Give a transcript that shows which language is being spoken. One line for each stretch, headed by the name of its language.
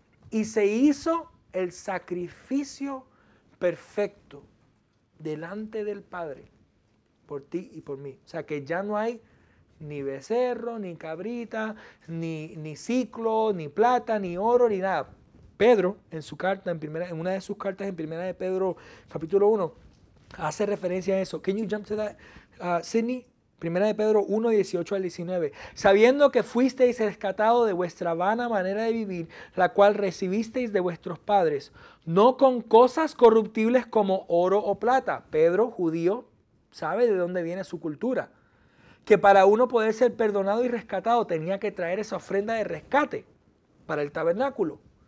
Spanish: Y se hizo el sacrificio perfecto delante del Padre por ti y por mí. O sea, que ya no hay ni becerro, ni cabrita, ni ciclo, ni plata, ni oro, ni nada. Pedro, en su carta, en una de sus cartas, en primera de Pedro, capítulo 1, hace referencia a eso.
English: Can you jump to that, Sydney?
Spanish: Primera de Pedro 1, 18 al 19. Sabiendo que fuisteis rescatados de vuestra vana manera de vivir, la cual recibisteis de vuestros padres, no con cosas corruptibles como oro o plata. Pedro, judío, sabe de dónde viene su cultura. Que para uno poder ser perdonado y rescatado tenía que traer esa ofrenda de rescate para el tabernáculo.